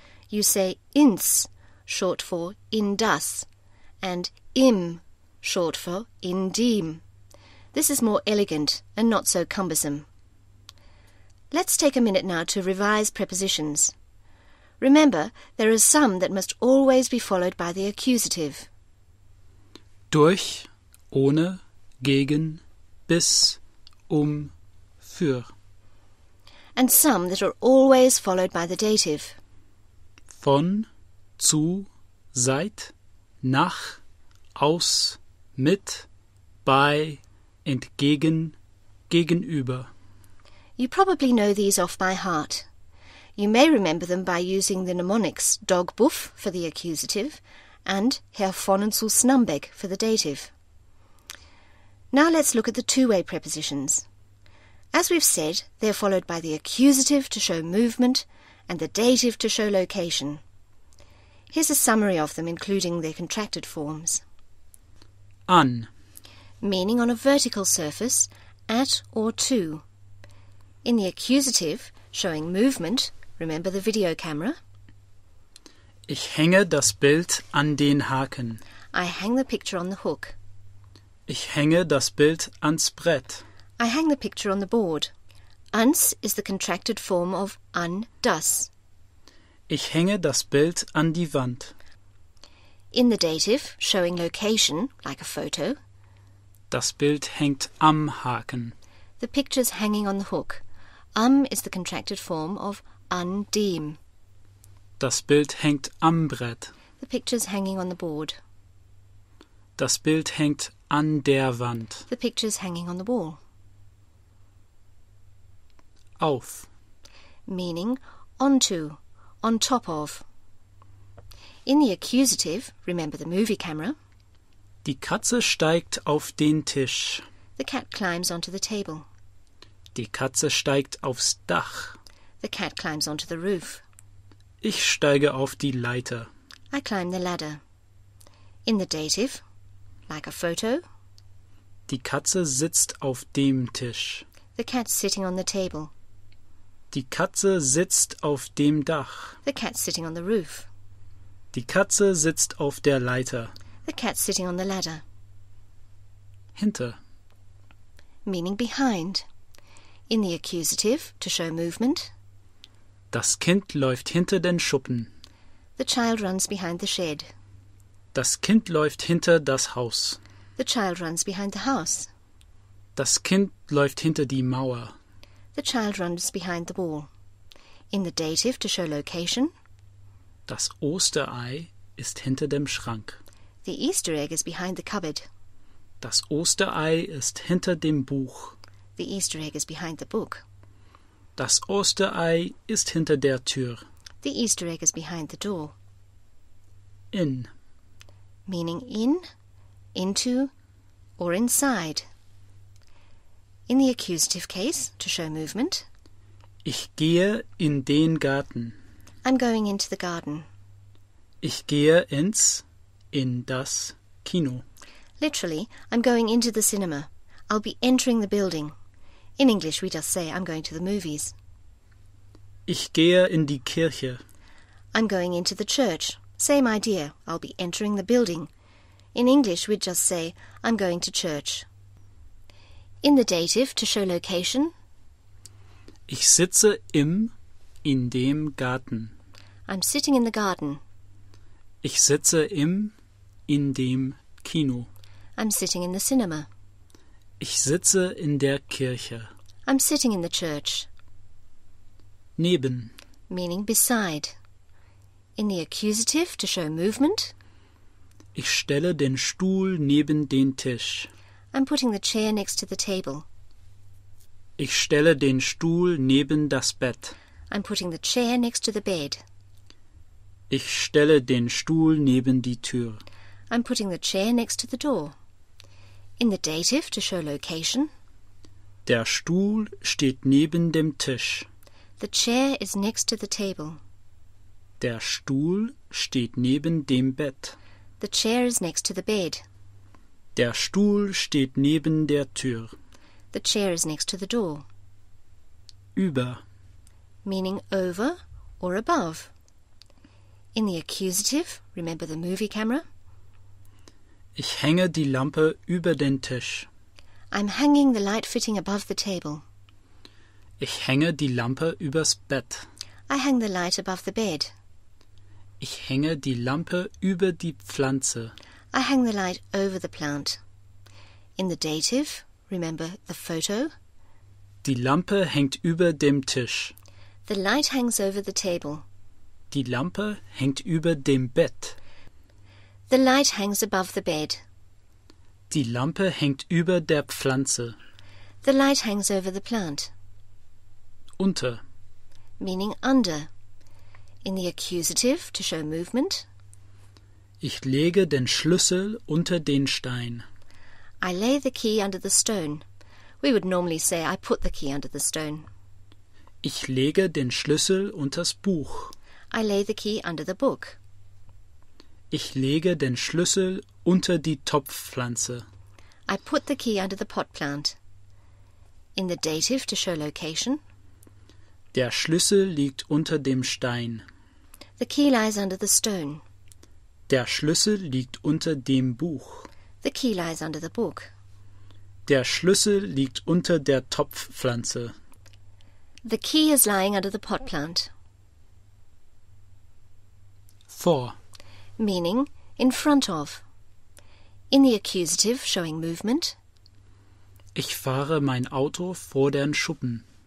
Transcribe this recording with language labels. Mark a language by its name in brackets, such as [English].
[English] You say ins, short for [German] in das, [English] and im, short for [German] in dem. [English] This is more elegant and not so cumbersome. Let's take a minute now to revise prepositions. Remember, there are some that must always be followed by the accusative. [German] Durch, ohne, gegen, bis, für. [English] And some that are always followed by the dative. [German] Von, zu, seit, nach, aus, mit, bei, entgegen, gegenüber. [English] You probably know these off by heart. You may remember them by using the mnemonics dog buff for the accusative and Herr [German] von und zu [English] Snumbeck for the dative. Now let's look at the two-way prepositions. As we've said, they're followed by the accusative to show movement and the dative to show location. Here's a summary of them, including their contracted forms. [German] An, [English] meaning on a vertical surface, at or to. In the accusative, showing movement, remember the video camera? [German] Ich hänge das Bild an den Haken. [English] I hang the picture on the hook. [German] Ich hänge das Bild ans Brett. [English] I hang the picture on the board. Ans is the contracted form of [German] an das. Ich hänge das Bild an die Wand. [English] In the dative, showing location, like a photo. [German] Das Bild hängt am Haken. [English] The picture's hanging on the hook. Is the contracted form of [German] an dem. Das Bild hängt am Brett. [English] The picture's hanging on the board. [German] Das Bild hängt an der Wand. [English] The picture's hanging on the wall. [German] Auf. [English] Meaning onto, on top of. In the accusative, remember the movie camera. [German] Die Katze steigt auf den Tisch. [English] The cat climbs onto the table. [German] Die Katze steigt aufs Dach. [English] The cat climbs onto the roof. [German] Ich steige auf die Leiter. [English] I climb the ladder. In the dative, like a photo. [German] Die Katze sitzt auf dem Tisch. [English] The cat's sitting on the table. [German] Die Katze sitzt auf dem Dach. [English] The cat's sitting on the roof. [German] Die Katze sitzt auf der Leiter. [English] The cat's sitting on the ladder. [German] Hinter. [English] Meaning behind. In the accusative, to show movement. [German] Das Kind läuft hinter den Schuppen. [English] The child runs behind the shed. [German] Das Kind läuft hinter das Haus. [English] The child runs behind the house. [German] Das Kind läuft hinter die Mauer. [English] The child runs behind the wall. In the dative to show location. [German] Das Osterei ist hinter dem Schrank. [English] The Easter egg is behind the cupboard. [German] Das Osterei ist hinter dem Buch. [English] The Easter egg is behind the book. [German] Das Osterei ist hinter der Tür. [English] The Easter egg is behind the door. [German] In. [English] Meaning in, into, or inside. In the accusative case, to show movement. [German] Ich gehe in den Garten. [English] I'm going into the garden. [German] Ich gehe ins, in das Kino. [English] Literally, I'm going into the cinema. I'll be entering the building. In English, we just say, I'm going to the movies. [German] Ich gehe in die Kirche. [English] I'm going into the church. Same idea. I'll be entering the building. In English, we'd just say, I'm going to church. In the dative, to show location. [German] Ich sitze im, in dem Garten. [English] I'm sitting in the garden. [German] Ich sitze im, in dem Kino. [English] I'm sitting in the cinema. [German] Ich sitze in der Kirche. [English] I'm sitting in the church. [German] Neben. [English] Meaning beside. In the accusative, to show movement. [German] Ich stelle den Stuhl neben den Tisch. [English] I'm putting the chair next to the table. [German] Ich stelle den Stuhl neben das Bett. [English] I'm putting the chair next to the bed. [German] Ich stelle den Stuhl neben die Tür. [English] I'm putting the chair next to the door. In the dative, to show location. [German] Der Stuhl steht neben dem Tisch. [English] The chair is next to the table. [German] Der Stuhl steht neben dem Bett. [English] The chair is next to the bed. [German] Der Stuhl steht neben der Tür. [English] The chair is next to the door. [German] Über. [English] Meaning over or above. In the accusative, remember the movie camera. [German] Ich hänge die Lampe über den Tisch. [English] I'm hanging the light fitting above the table. [German] Ich hänge die Lampe übers Bett. [English] I hang the light above the bed. [German] Ich hänge die Lampe über die Pflanze. [English] I hang the light over the plant. In the dative, remember the photo. [German] Die Lampe hängt über dem Tisch. [English] The light hangs over the table. [German] Die Lampe hängt über dem Bett. [English] The light hangs above the bed. [German] Die Lampe hängt über der Pflanze. [English] The light hangs over the plant. [German] Unter. [English] Meaning under. In the accusative, to show movement. [German] Ich lege den Schlüssel unter den Stein. [English] I lay the key under the stone. We would normally say, I put the key under the stone. [German] Ich lege den Schlüssel unters Buch. [English] I lay the key under the book. [German] Ich lege den Schlüssel unter die Topfpflanze. [English] I put the key under the pot plant. In the dative to show location. [German] Der Schlüssel liegt unter dem Stein. [English] The key lies under the stone. [German] Der Schlüssel liegt unter dem Buch. [English] The key lies under the book. [German] Der Schlüssel liegt unter der Topfpflanze. [English] The key is lying under the pot plant. [German] Vor. [English] Meaning, in front of. In the accusative, showing movement. [German] Ich fahre mein Auto vor den Schuppen.